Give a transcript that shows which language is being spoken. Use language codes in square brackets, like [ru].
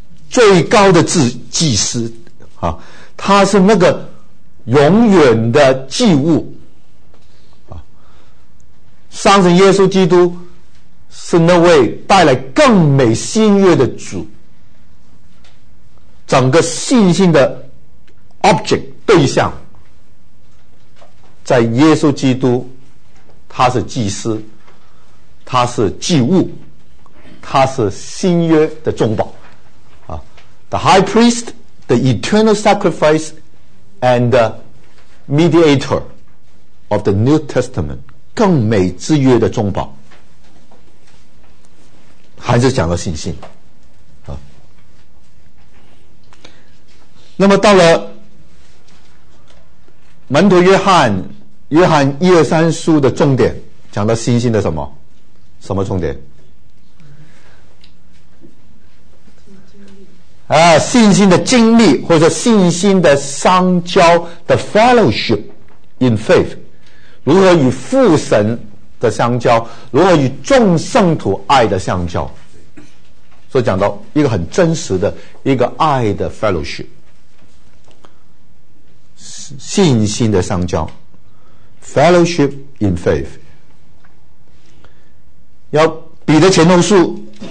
[zh] 最高的祭司啊，他是那个永远的祭物啊，相信耶稣基督是那位带来更美新约的主，整个信心的 object 对象在耶稣基督，他是祭司，他是祭物，他是新约的中保。 [en] The high priest, the eternal sacrifice, and the mediator of the New Testament, [zh] 更美之约的中保，还是讲了信心。那么到了门徒约翰，约翰一二三书的重点，讲到信心的什么？什么重点？啊，信心的经历，或者信心的相交 ， [en] the fellowship in faith， [zh] 如何与父神的相交，如何与众圣徒爱的相交，所以讲到一个很真实的一个爱的 fellowship， 信心的相交 ， [en] fellowship in faith， [zh] 要彼得前后书。